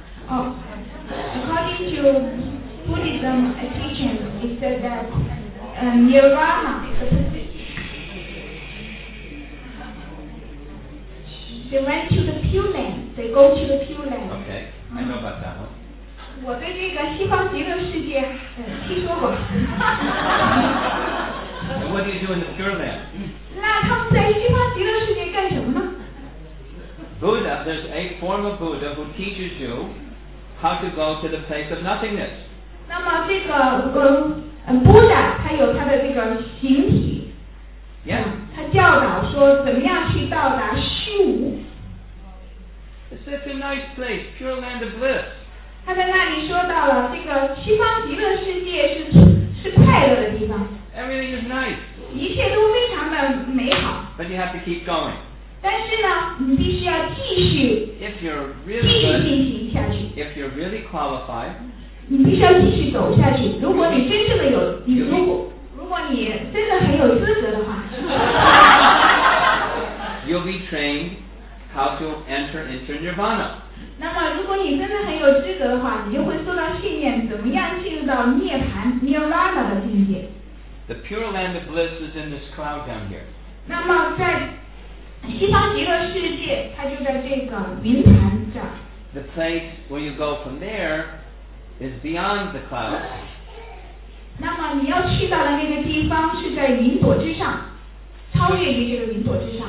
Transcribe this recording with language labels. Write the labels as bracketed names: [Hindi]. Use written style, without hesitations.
[English] According to Buddhism teaching, it said that nirvana is a position. They went to the pure land. They go to the pure land. Okay, I know about that one. [Chinese] 我对这个西方极乐世界听说过。 [English] And what do you do in the pure land? [Chinese] 那他们在西方极乐世界干什么呢？ [English] Buddha, there's a form of Buddha who teaches you how to go to the place of nothingness. [Chinese] 那么这个Buddha 他有他的这个形体。 [English] Yeah. [Chinese] 他教导说怎么样去到达虚无。 [English] It's such a nice place, pure land of bliss. [Chinese] 他在那里说到了这个西方极乐世界是快乐的地方。 [English] Everything is nice. [Chinese] 一切都非常的美好。 [English] But you have to keep going. [Chinese] 但是呢，你必须要继续 [English] if you're、really、good, [Chinese] 继续进行下去。 [English] If you're really qualified, [Chinese] 你必须要继续走下去。如果你真正的有，你如果你真的很有资格的话 [English] ，You'll be trained how to enter into nirvana. [Chinese] 那么，如果你真的很有资格的话，你就会受到训练，怎么样进入到涅槃 nirvana 的境界。 [English] The pure land of bliss is in this cloud down here. [Chinese] 那么在西方极乐世界，它就在这个云坛这儿。 [English] The place where you go from there is beyond the clouds. [Chinese] 那么你要去到的那个地方是在云朵之上，超越于这个云朵之上。